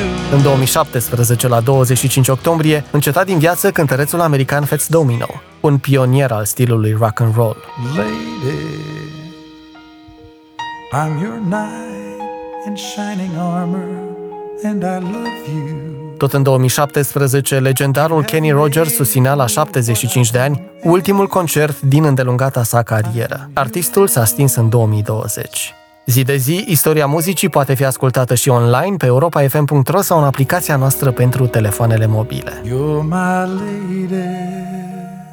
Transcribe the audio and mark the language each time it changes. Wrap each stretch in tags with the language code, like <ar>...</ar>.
<ro>În 2017, la 25 octombrie, înceta din viață cântărețul american Fats Domino, un pionier al stilului rock and roll.</ro> <en>Lady, I'm your knight in shining armor and I love you.</en> <ro>Tot în 2017, legendarul Kenny Rogers susținea la 75 de ani ultimul concert din îndelungata sa carieră. Artistul s-a stins în 2020. Zi de zi, istoria muzicii poate fi ascultată și online pe europafm.ro sau în aplicația noastră pentru telefoanele mobile.</ro> <en>You're my lady.</en>